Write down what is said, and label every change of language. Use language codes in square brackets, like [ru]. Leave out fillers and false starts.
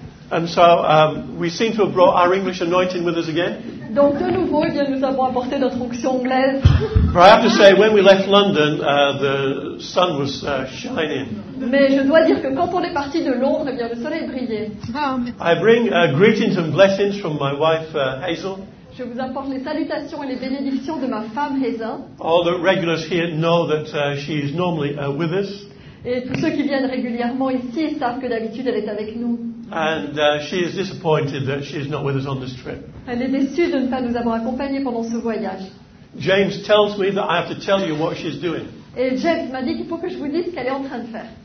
[en] And so we seem to have brought our English anointing with us again. [fr] Donc de nouveau, bien, nous avons apporté notre onction anglaise. [en] But I have to say, when we left London, the sun was shining. [fr] Mais je dois dire que quand on est parti de Londres, eh bien, le soleil brillait. [en] I bring greetings and blessings from my wife Hazel. [fr] Je vous apporte les salutations et les bénédictions de ma femme Hazel. [en] All the regulars here know that she is normally with us. [fr] Et tous ceux qui viennent régulièrement ici savent que d'habitude elle est avec nous. [en] And she is disappointed that she is not with us on this trip. [fr] Elle est déçue de ne pas nous avoir accompagnés pendant ce voyage. [en] James tells me that I have to tell you what she's doing. [fr] Et James m'a dit qu'il faut que je vous dise ce qu'elle est en train de faire.